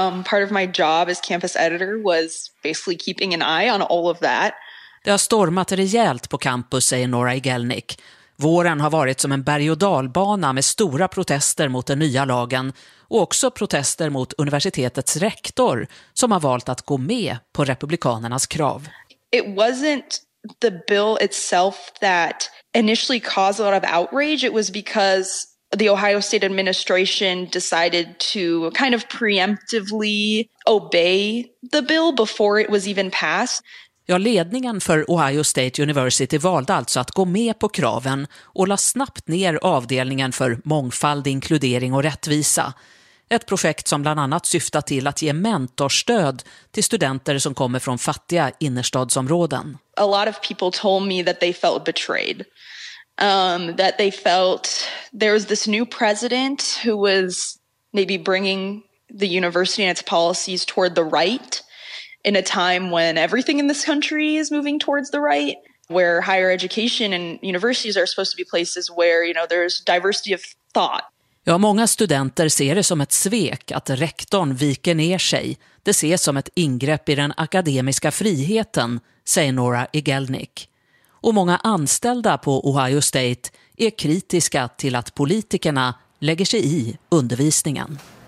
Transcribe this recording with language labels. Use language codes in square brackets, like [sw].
[en] Part of my job as campus editor was basically keeping an eye on all of that. [sv] Det har stormat rejält på campus, säger Nora Igelnik. Våren har varit som en berg- och dalbana med stora protester mot den nya lagen och också protester mot universitetets rektor som har valt att gå med på republikanernas krav. [en] It wasn't the bill itself that initially caused a lot of outrage. It was because the Ohio State Administration decided to kind of preemptively obey the bill before it was even passed. [sv] Ja, ledningen för Ohio State University valde alltså att gå med på kraven och la snabbt ner avdelningen för mångfald, inkludering och rättvisa. Ett projekt som bland annat syftar till att ge mentorstöd till studenter som kommer från fattiga innerstadsområden. [en] A lot of people told me that they felt betrayed. That they felt there was this new president who was maybe bringing the university and its policies toward the right in a time when everything in this country is moving towards the right, where higher education and universities are supposed to be places where, you know, there's diversity of thought. [sv] Ja, många studenter ser det som ett svek att rektorn viker ner sig. Det ses som ett ingrepp i den akademiska friheten, säger Nora Igelnik. Och många anställda på Ohio State är kritiska till att politikerna lägger sig i undervisningen.